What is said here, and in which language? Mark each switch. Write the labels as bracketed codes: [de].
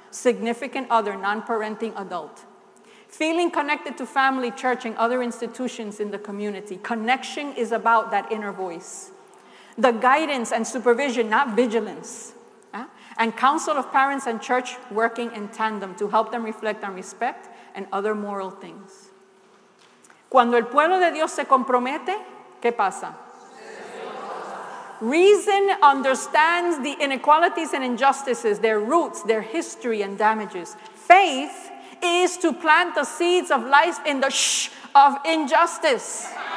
[en] Significant other non-parenting adult. Feeling connected to family, church, and other institutions in the community. Connection is about that inner voice. The guidance and supervision, not vigilance. Yeah? And counsel of parents and church working in tandem to help them reflect on respect and other moral things. [es] Cuando el pueblo de Dios se compromete, ¿qué pasa? [en] Reason understands the inequalities and injustices, their roots, their history, and damages. Faith is to plant the seeds of life in the shh of injustice.